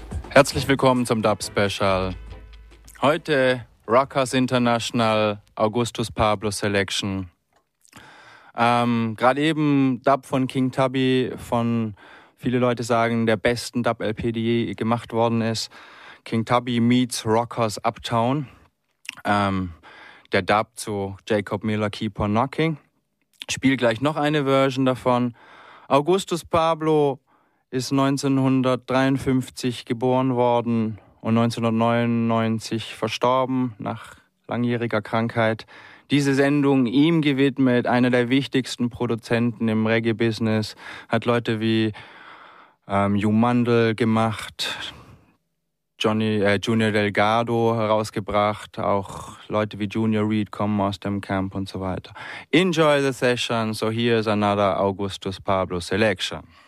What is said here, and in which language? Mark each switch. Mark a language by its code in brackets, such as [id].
[de] Herzlich willkommen zum Dub Special. Heute Rockers International Augustus Pablo Selection. Gerade eben Dub von King Tubby, von viele Leute sagen, der besten Dub LP, die je gemacht worden ist. King Tubby meets Rockers Uptown. Der Dub zu Jacob Miller Keep on Knocking. Spiel gleich noch eine Version davon. Augustus Pablo ist 1953 geboren worden und 1999 verstorben nach langjähriger Krankheit. Diese Sendung ihm gewidmet, einer der wichtigsten Produzenten im Reggae-Business, hat Leute wie Hugh Mandel gemacht, Junior Delgado herausgebracht. Auch Leute wie Junior Reed kommen aus dem Camp und so weiter. [en] Enjoy the session. So here's another Augustus Pablo selection.